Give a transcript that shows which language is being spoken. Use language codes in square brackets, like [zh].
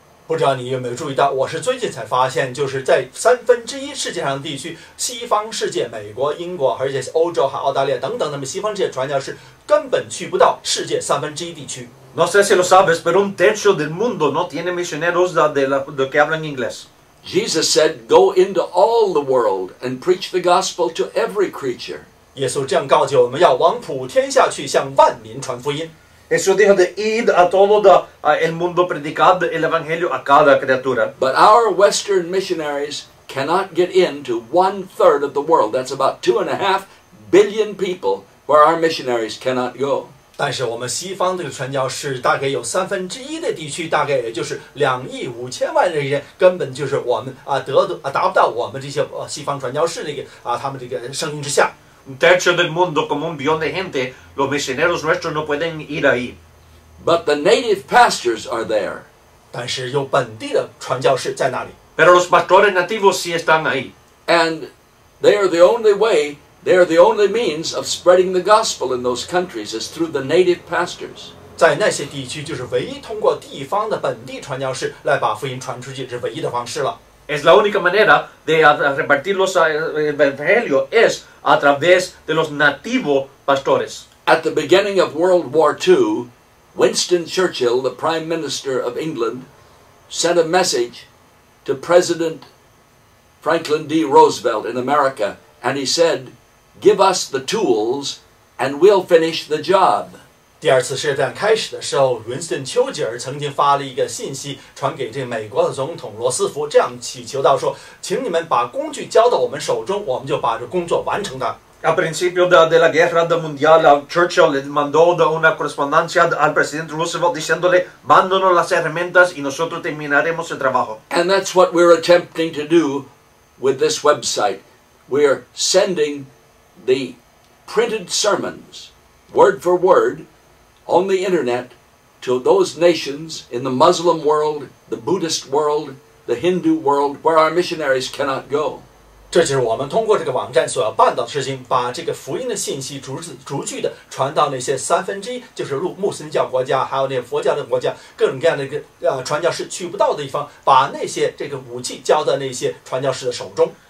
[zh] 不知道你有没有注意到，我是最近才发现，就是在三分之一世界上的地区，西方世界，美国、英国，而且欧洲和澳大利亚等等，那么西方这些传教士根本去不到世界三分之一地区。 [es] No sé si lo sabes, pero un tercio del mundo no tiene misioneros de que hablan inglés. [en] Jesus said, "Go into all the world and preach the gospel to every creature." [zh] 耶稣这样告诫我们要往普天下去，向万民传福音。 [es] Jesús dijo de ir a todo el mundo predicando el evangelio a cada criatura. [en] But our Western missionaries cannot get into 1/3 of the world. That's about 2.5 billion people where our missionaries cannot go. [zh] 但是我们西方的传教士大概有三分之一的地区，大概也就是2.5亿的人，根本就是我们达不到我们这些西方传教士那个他们这个声音之下。 [es] Un tercio del mundo, como 1 billón de gente, los misioneros nuestros no pueden ir ahí. [en] But the native pastors are there. [zh] 但是有本地的传教士在那里。 [es] Pero los pastores nativos sí están ahí. [en] And they are the only way, they are the only means of spreading the gospel in those countries is through the native pastors. [zh] 在那些地区就是唯一通过地方的本地传教士来把福音传出去是唯一的方式了。 [es] Es la única manera de repartir los evangelios es a través de los nativos pastores. [en] At the beginning of World War II, Winston Churchill, the Prime Minister of England, sent a message to President Franklin D. Roosevelt in America, and he said, "Give us the tools, and we'll finish the job." [zh] 第二次世界大战开始的时候，文斯顿·丘吉尔曾经发了一个信息传给这美国的总统罗斯福，这样祈求到说，请你们把工具交到我们手中，我们就把这工作完成的。 [es] A principio de la guerra mundial, Churchill le mandó una correspondencia al presidente Roosevelt diciéndole, mándonos las herramientas y nosotros terminaremos el trabajo. [en] And that's what we're attempting to do with this website. We're sending the printed sermons, word for word, on the internet to those nations in the Muslim world, the Buddhist world, the Hindu world, where our missionaries cannot go. [zh] 这就是我们通过这个网站所要办到的事情，把这个福音的信息逐句的传到那些三分之一，就是穆斯林教国家，还有那佛教的国家，各种各样的传教士去不到的地方，把那些这个武器交到那些传教士的手中。